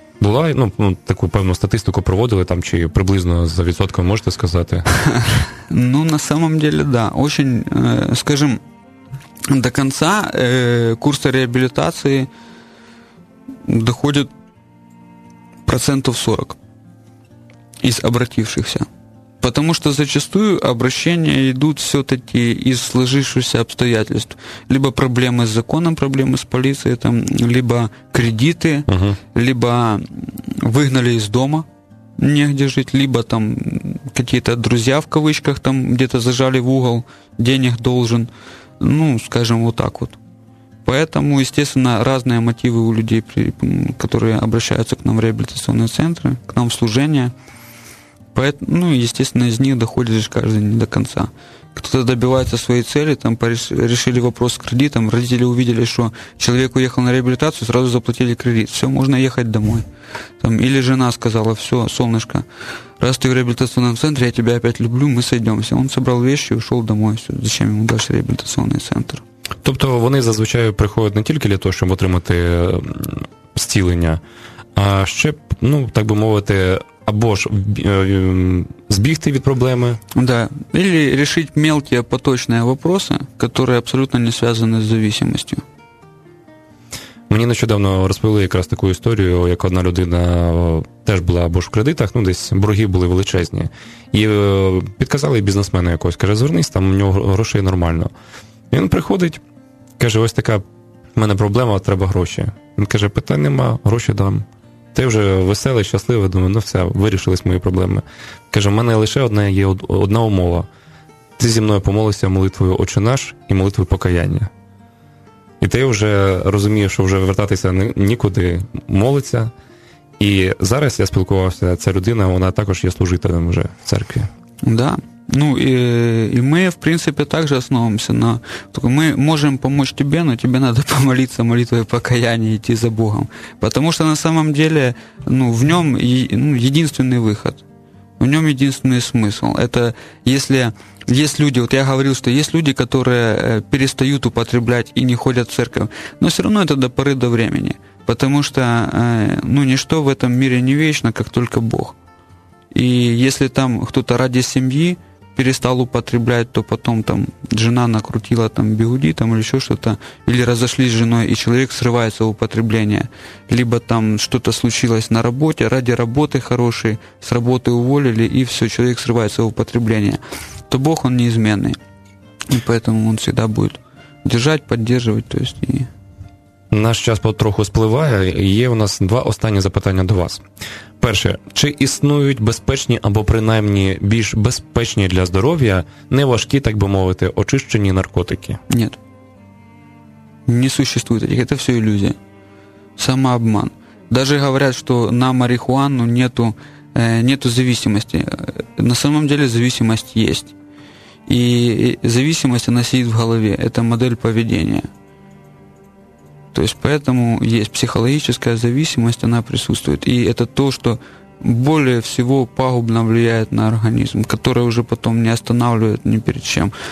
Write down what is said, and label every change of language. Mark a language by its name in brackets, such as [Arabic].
[Ukrainian] Була, ну, таку певну статистику проводили там, чи приблизно за відсотком можете сказати? [Russian] Ну, на самом деле, да. Очень, скажем, до конца курса реабілітації доходить процентів 40 із обратившихся. Потому что зачастую обращения идут все-таки из сложившихся обстоятельств. Либо проблемы с законом, проблемы с полицией, там, либо кредиты, либо выгнали из дома, негде жить, либо там какие-то друзья в кавычках там где-то зажали в угол, денег должен, ну, скажем, вот так вот. Поэтому, естественно, разные мотивы у людей, которые обращаются к нам в реабилитационные центры, к нам в служение. Поэтому, ну, естественно, из них доходишь каждый не до конца. Кто-то добивается своей цели, там решили вопрос с кредитом, родители увидели, что человек уехал на реабилитацию, сразу заплатили кредит. Все, можно ехать домой. Там, или жена сказала, все, солнышко, раз ты в реабилитационном центре, я тебя опять люблю, мы сойдемся. Он собрал вещи и ушел домой. Все, зачем ему дальше реабилитационный центр? [Ukrainian] Тобто вони зазвичай приходять не тільки для того, щоб отримати зцілення, а ще, ну, так би мовити, або ж збігти від проблеми. [Russian] Да, или решить мелкие поточные вопросы, которые абсолютно не связаны с зависимостью. [Ukrainian] Мені нещодавно розповіли якраз таку історію, як одна людина теж була або ж в кредитах, ну десь борги були величезні. І підказали бізнесмену якось, каже, звернись, там у нього грошей нормально. І він приходить, каже, ось така в мене проблема, треба гроші. Він каже, питань нема, гроші дам. Ти вже веселий, щасливий, думаю, ну все, вирішились мої проблеми. Каже, в мене лише одна є одна умова. Ти зі мною помолися молитвою «Отче наш» і молитвою покаяння. І ти вже розумієш, що вже вертатися нікуди молиться. І зараз я спілкувався, ця людина, вона також є служителем вже в церкві. [Russian] Да. Ну, и мы, в принципе, также основываемся на... Только мы можем помочь тебе, но тебе надо помолиться молитвой покаяния, идти за Богом. Потому что на самом деле, ну, в нем единственный выход, в нем единственный смысл. Это если есть люди, вот я говорил, что есть люди, которые перестают употреблять и не ходят в церковь, но все равно это до поры до времени. Потому что, ну, ничто в этом мире не вечно, как только Бог. И если там кто-то ради семьи перестал употреблять, то потом там жена накрутила там бигуди там, или еще что-то, или разошлись с женой, и человек срывается в употребление, либо там что-то случилось на работе, ради работы хорошей, с работы уволили, и все, человек срывается в употребление, то Бог, он неизменный. И поэтому он всегда будет держать, поддерживать, то есть и... [Ukrainian] Наш час потроху спливає, і є у нас два останні запитання до вас. Перше, чи існують безпечні або принаймні більш безпечні для здоров'я, неважкі, так би мовити, очищені наркотики? Ні. Не існує таких, це все ілюзія. Самообман. Навіть говорять, що на марихуану нету зависимості. [Russian] На самом деле зависимость есть. [Ukrainian] І [Russian] зависимость, она сидит [Ukrainian] в голові. [Russian] Это модель поведения. То есть поэтому есть психологическая зависимость, она присутствует. И это то, что более всего пагубно влияет на организм, которое уже потом не останавливает ни перед чем.